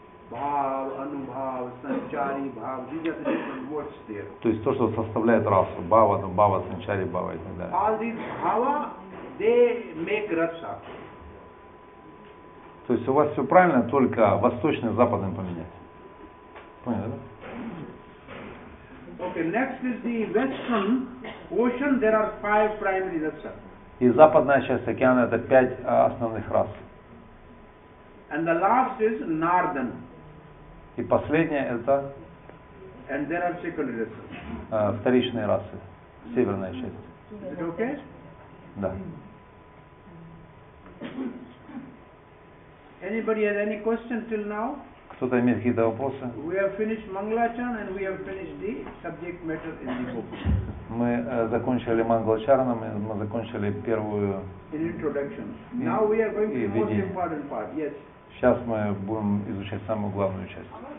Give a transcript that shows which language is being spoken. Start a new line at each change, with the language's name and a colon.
English: Бхав, анубхав, санчари, бхав, these are the different words there.
Russian: То есть то, что составляет расу. Бхава, анубхава, санчари, бхава и так далее.
English: All these bhava, they make rasa.
Russian: То есть у вас все правильно, только восточный с западным поменять. Понял, да?
English: Okay, next is the western ocean, there are 5 primary rasa.
Russian: И западная часть океана это 5 основных рас.
English: And the last is northern.
Russian: И последняя это
English: and there are secondary rasa.
Russian: Вторичные расы. Северная часть.
English: Is it okay?
Russian: Да.
English: Anybody has any question till now?
Russian: Кто-то имеет какие-то вопросы?
English: We have finished Mangalacharan and we have finished the subject matter in the book.
Russian: Мы закончили Мангалачараном, мы закончили первую введение.
English: Yes.
Russian: Сейчас мы будем изучать самую главную часть.